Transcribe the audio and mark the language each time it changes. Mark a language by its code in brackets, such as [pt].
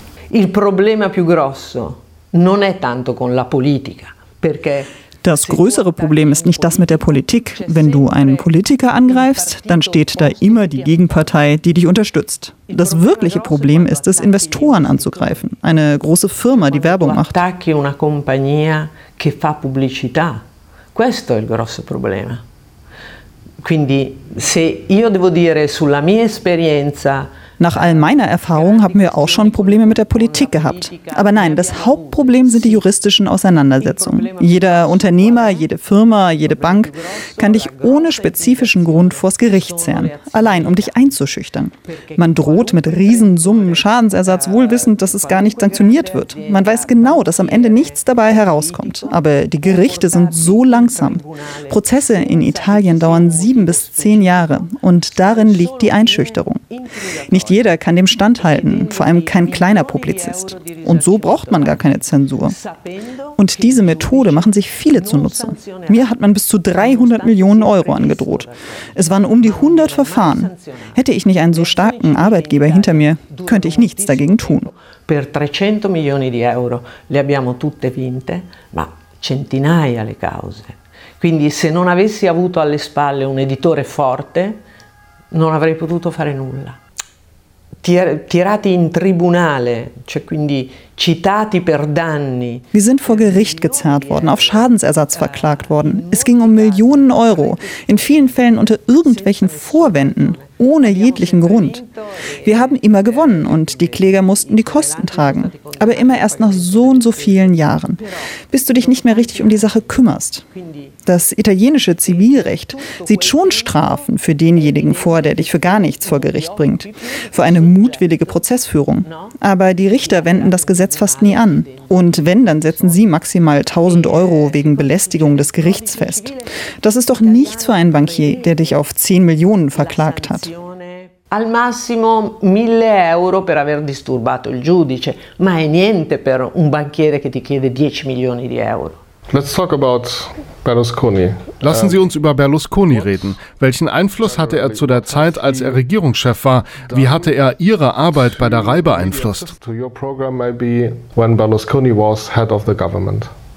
[it] Il problema più grosso non è tanto con la politica, perché [de] das größere Problem ist nicht das mit der Politik. Wenn du einen Politiker angreifst, dann steht da immer die Gegenpartei, die dich unterstützt. Das wirkliche Problem ist es, Investoren anzugreifen, eine große Firma, die Werbung macht. [it] Una compagnia che fa pubblicità. Questo è il grosso problema. Quindi se io devo dire sulla mia esperienza. [de] Nach all meiner Erfahrung haben wir auch schon Probleme mit der Politik gehabt. Aber nein, das Hauptproblem sind die juristischen Auseinandersetzungen. Jeder Unternehmer, jede Firma, jede Bank kann dich ohne spezifischen Grund vors Gericht zerren, allein um dich einzuschüchtern. Man droht mit Riesensummen Schadensersatz, wohlwissend, dass es gar nicht sanktioniert wird. Man weiß genau, dass am Ende nichts dabei herauskommt. Aber die Gerichte sind so langsam. Prozesse in Italien dauern 7 bis 10 Jahre und darin liegt die Einschüchterung. Nicht jeder kann dem standhalten, vor allem kein kleiner Publizist. Und so braucht man gar keine Zensur. Und diese Methode machen sich viele zunutze. Mir hat man bis zu 300 Millionen Euro angedroht. Es waren um die 100 Verfahren. Hätte ich nicht einen so starken Arbeitgeber hinter mir, könnte ich nichts dagegen tun. [it] Per 300 Millionen Euro, le abbiamo tutte vinte, ma centinaia le cause. Quindi se non avessi avuto alle spalle un editore forte, non avrei potuto fare nulla. Tirati in tribunale, cioè quindi citati per danni. [de] Wir sind vor Gericht gezerrt worden, auf Schadensersatz verklagt worden. Es ging um Millionen Euro, in vielen Fällen unter irgendwelchen Vorwänden, ohne jeglichen Grund. Wir haben immer gewonnen und die Kläger mussten die Kosten tragen. Aber immer erst nach so und so vielen Jahren, bis du dich nicht mehr richtig um die Sache kümmerst. Das italienische Zivilrecht sieht schon Strafen für denjenigen vor, der dich für gar nichts vor Gericht bringt, für eine mutwillige Prozessführung. Aber die Richter wenden das Gesetz fast nie an. Und wenn, dann setzen sie maximal 1000 Euro wegen Belästigung des Gerichts fest. Das ist doch nichts für einen Bankier, der dich auf 10 Millionen verklagt hat. [it] Al massimo 1000 euro per aver disturbato il giudice, ma è niente per un banchiere che ti chiede 10 milioni di euro. [en] Let's talk about Berlusconi. [de] Lassen Sie uns über Berlusconi reden. Welchen Einfluss hatte er zu der Zeit, als er Regierungschef war? Wie hatte er Ihre Arbeit bei der RAI beeinflusst? [en] To your program maybe when Berlusconi was head of the government.